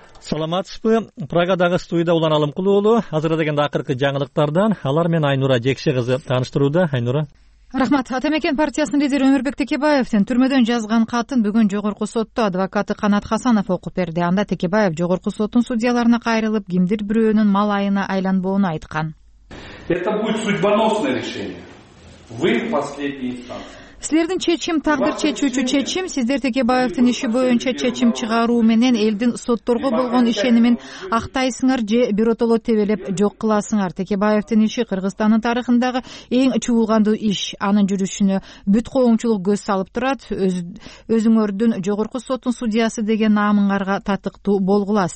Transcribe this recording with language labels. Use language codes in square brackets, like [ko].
[ky] Саламатсызбы, Прагадагы студияда Улан Алымкул уулу, азыр дегенде акыркы жаңылыктардан алар менен Айнура Жекше кызы тааныштырууда. Айнура. Рахмат. Атамекен партиясынын лидери Өмүрбек Текебаевдин түрмөдөн жазган катын бүгүн Жогорку сотто адвокаты Канат Хасанов окуп берди. Анда Текебаев Жогорку соттун судьяларына кайрылып, кимдир бирөөнүн мал айына айланбоону айткан. [ru] Это будет судьбоносное решение. Вы последний инстанция. [ky] Силердин чечим, тагдыр чечүүчү чечим, силер Текебаевдин иши боюнча чечим чыгаруу менен элдин сотторго болгон ишенимин актайсыңар же биротоло тебелеп жок кыласыңар. Текебаевдин иши Кыргызстандын тарыхындагы эң чуулгандуу иш. Анын жүрүшүнө бүт коомчулук көз салып турат. Өзүңөрдүн Жогорку соттун судьясы деген наамыңарга татыктуу болгула.